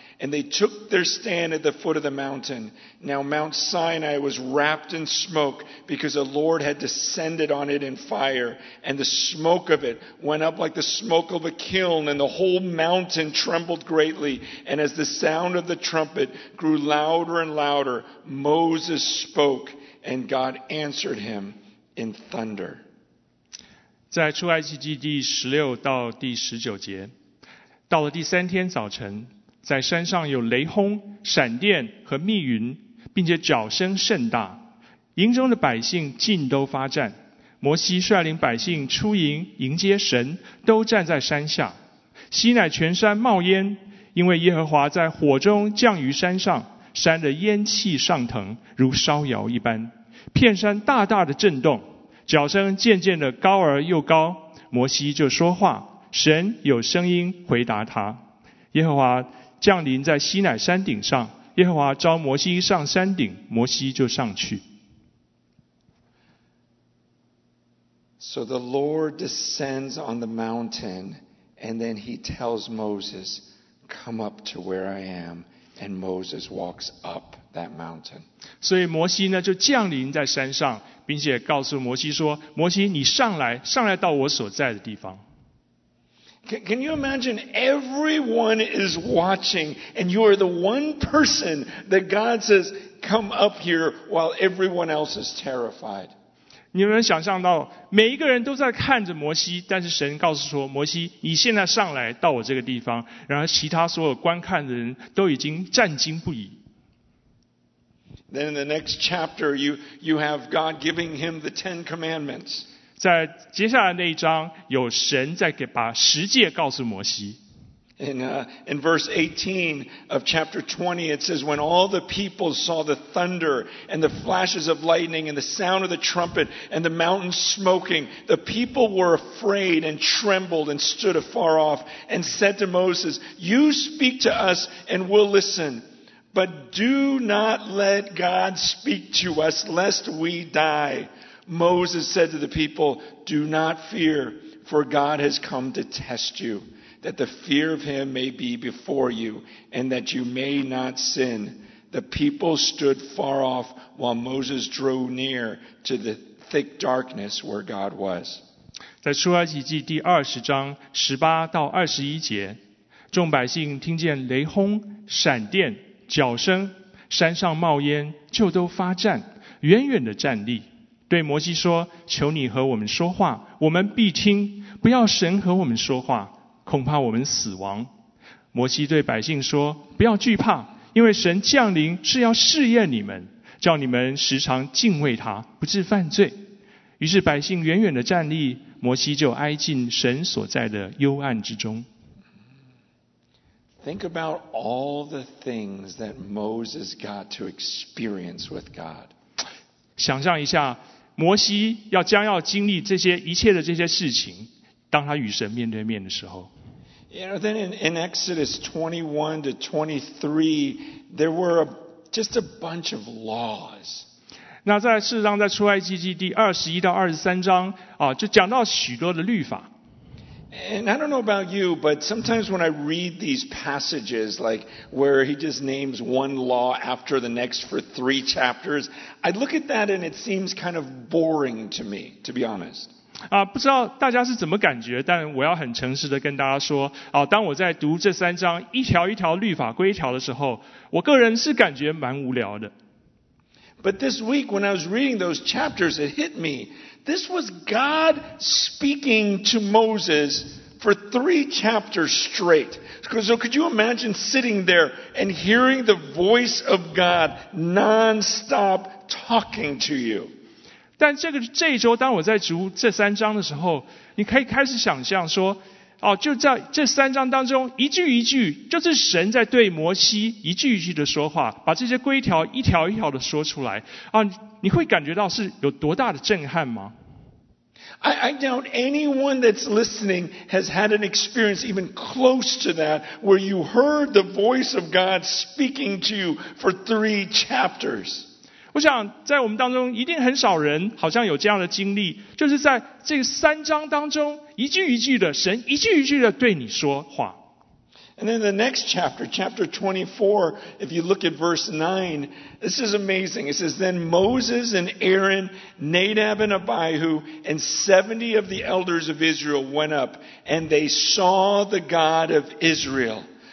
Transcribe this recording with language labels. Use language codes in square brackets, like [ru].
[en] And they took their stand at the foot of the mountain. Now Mount Sinai was wrapped in smoke because the Lord had descended on it in fire. And the smoke of it went up like the smoke of a kiln. And the whole mountain trembled greatly. And as the sound of the trumpet grew louder and louder, Moses spoke and God answered him in thunder. [zh] 在出埃及记第16到第19节，到了第三天早晨，在山上有雷轰、闪电和密云，并且脚声甚大。营中的百姓尽都发战。摩西率领百姓出营迎接神，都站在山下。西乃全山冒烟，因为耶和华在火中降于山上，山的烟气上腾，如烧窑一般。片山大大的震动，脚声渐渐的高而又高。摩西就说话，神有声音回答他。耶和华降临在西乃山顶上，耶和华召摩西上山顶，摩西就上去。 [en] So the Lord descends on the mountain, and then he tells Moses, "Come up to where I am." And Moses walks up that mountain. [zh] 所以摩西呢就降临在山上，并且告诉摩西说：“摩西，你上来，上来到我所在的地方。” [en] Can you imagine everyone is watching and you are the one person that God says, come up here while everyone else is terrified? [zh] 你有没有想象到每一个人都在看着摩西，但是神告诉说，摩西，你现在上来到我这个地方，然后其他所有观看的人都已经战惊不已。 [en] Then in the next chapter, you have God giving him the Ten Commandments. [zh] 在接下来那一章，有神在给把十诫告诉摩西。 [en] In verse 18 of chapter 20, it says, When all the people saw the thunder and the flashes of lightning and the sound of the trumpet and the mountain smoking, the people were afraid and trembled and stood afar off and said to Moses, You speak to us and we'll listen. But do not let God speak to us, lest we die. Moses said to the people, do not fear, for God has come to test you, that the fear of him may be before you, and that you may not sin. The people stood far off while Moses drew near to the thick darkness where God was. [zh] 在出埃及记第二十章十八到二十一节，众百姓听见雷轰、闪电、脚声，山上冒烟，就都发战，远远的站立，对摩西说：“求你和我们说话，我们必听；不要神和我们说话，恐怕我们死亡。” 摩西对百姓说：“不要惧怕，因为神降临是要试验你们，叫你们时常敬畏他，不致犯罪。” 于是百姓远远的站立，摩西就挨近神所在的幽暗之中。 [en] Think about all the things that Moses got to experience with God. [zh] 想象一下，摩西要将要经历这些一切的这些事情，当他与神面对面的时候。 [en] You know, then in Exodus 21 to 23, there were just a bunch of laws. [zh] 那在事实上，在出埃及记第二十一到二十三章啊，就讲到许多的律法。 [en] And I don't know about you, but sometimes when I read these passages, like where he just names one law after the next for three chapters, I look at that and it seems kind of boring to me, to be honest. [zh] 啊，不知道大家是怎么感觉，但我要很诚实的跟大家说，啊，当我在读这三章一条一条律法规条的时候，我个人是感觉蛮无聊的。 [en] But this week when I was reading those chapters, it hit me. This was God speaking to Moses for three chapters straight. So could you imagine sitting there and hearing the voice of God non-stop talking to you? [zh] 但这一周当我在读这三章的时候，你可以开始想象说，哦，就在这三章当中一句一句就是神在对摩西一句一句的说话，把这些规条一条一条的说出来，哦，你会感觉到是有多大的震撼吗？ [en] I doubt anyone that's listening has had an experience even close to that where you heard the voice of God speaking to you for three chapters. [zh] 我想在我们当中一定很少人好像有这样的经历，就是在这三章当中一句一句的神一句一句的对你说话。 [en] And then the next chapter, chapter 24, if you look at verse 9, this is amazing. It says, then Moses and Aaron, Nadab and Abihu, and 70 of the elders of Israel went up, and they saw the God of Israel.